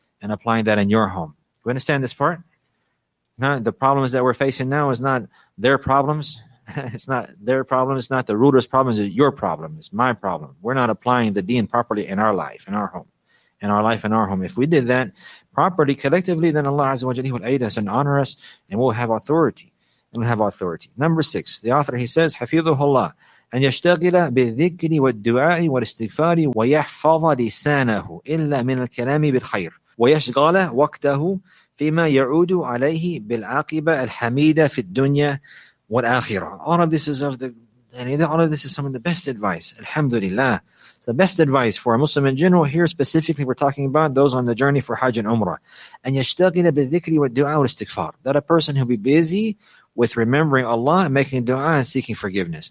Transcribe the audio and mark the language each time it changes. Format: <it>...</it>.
<en>You understand this part? No, the problems that we're facing now is not their problems. It's not their problems. It's not the ruler's problems. It's your problem. It's my problem. We're not applying the deen properly in our life, in our home. If we did that properly, collectively, then Allah Azza wa Jalla will aid us and honor us, and we'll have authority. Number six, the author, he says,</en> <ar>حَفِيظُهُ اللَّهِ أن يشتغل بالذكر والدعاء والاستغفار ويحفظ لسانه إلا من الكلام بالخير ويشغل وقته فيما يعود عليه بالعاقبة الحميدة في الدنيا والآخرة.</ar> <en>All of this is some of the best advice. Alhamdulillah. It's the best advice for a Muslim in general. Here specifically, we're talking about those on the journey for Hajj and Umrah.</en> <ar>أن يشتغل بالذكر والدعاء والاستغفار.</ar> <en>That a person who be busy with remembering Allah and making dua and seeking forgiveness.</en>